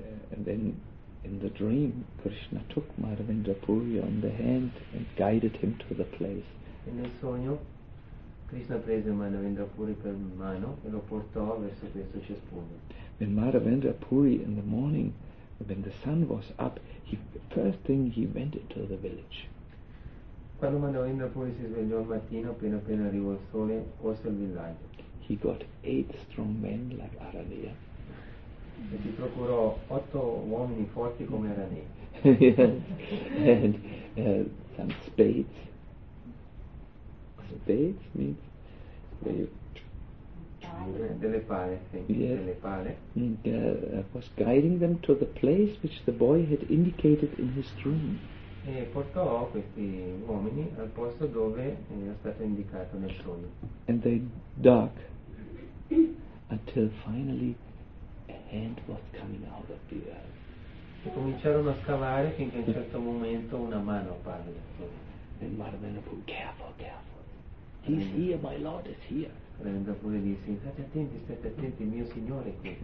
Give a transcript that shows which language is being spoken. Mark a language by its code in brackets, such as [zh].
[en] And then in the dream, Krishna took Madhavendra Puri on the hand and guided him to the place. [it] E nel sogno, Krishna prese Madhavendra Puri per mano e lo portò verso questo cespuglio. [en] When Madhavendra Puri in the morning, when the sun was up, he first thing he went into the village. [it] Quando Madhavendra Puri si svegliò al mattino, appena arrivò il sole, corse al villaggio. [en] He got 8 strong men like Aranya. [it] E si procurò 8 uomini forti come Aranya. [en] Yeah. And some spades. Spades means where you [it] delle pale, delle pale. [en] And was guiding them to the place which the boy had indicated in his dream. [it] E portò questi uomini al posto dove era stato indicato nel sogno. [en] And they dug until finally a hand was coming out of the earth. [it] E cominciarono a scavare finché in un certo momento una mano apparve dal sogno. [en] And Madhavendra Puri, careful, careful. He's here, my Lord is here. [it] Madhavendra Puri disse, state attenti, mio Signore è qui.